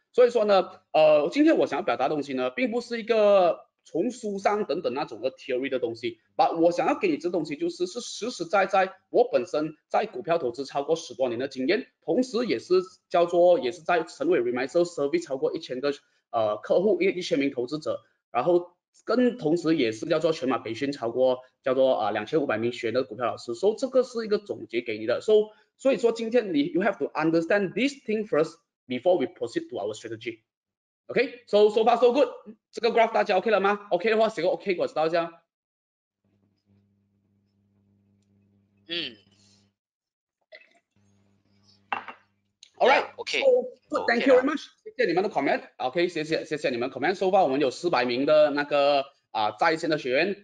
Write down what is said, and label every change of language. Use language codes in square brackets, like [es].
[zh] 所以说呢今天我想要表达的东西呢并不是一个从书上等等那种的 theory 的东西，把我想要给你这东西就是实实在在我本身在股票投资超过十多年的经验，同时也是在成为 Remiser Service 超过1000个客户1000名投资者，然后跟同时也是叫做全马培训超过叫做2500名学的股票老师，所以这个是一个总结给你的。所以说今天 [en] 你 you have to understand this thing first before we proceed to our strategy. OK, so far so good. [zh] 这个 graph 大家 OK 了吗？OK 的话写个 OK 给我知道一下。 [en] Alright, OK. So, thank you very much. [zh] 谢谢你们的 comment. OK, 谢谢你们 comment. [en] So far, [zh] 我们有400名的那个在线的学员。